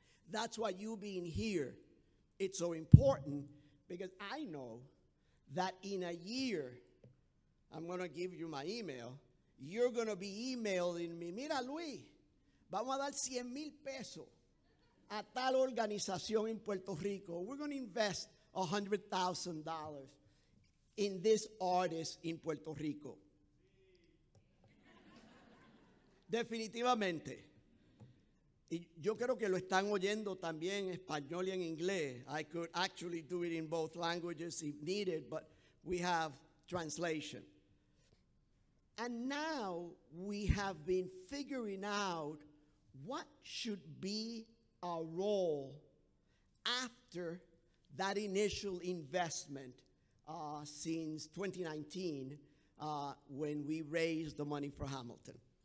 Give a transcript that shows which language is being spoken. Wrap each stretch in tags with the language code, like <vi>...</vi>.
<en>That's why you being here, it's so important, because I know that in a year, I'm gonna give you my email, you're gonna be emailing me,</en> <es>mira Luis, vamos a dar 100 mil pesos a tal organización</es> <en>in Puerto Rico. We're gonna invest $100,000 in this artist in Puerto Rico.</en> <es>Definitivamente. Y yo creo que lo están oyendo también en español y en inglés.</es> <en>I could actually do it in both languages if needed, but we have translation. And now we have been figuring out what should be our role after that initial investment since 2019 when we raised the money for Hamilton.</en>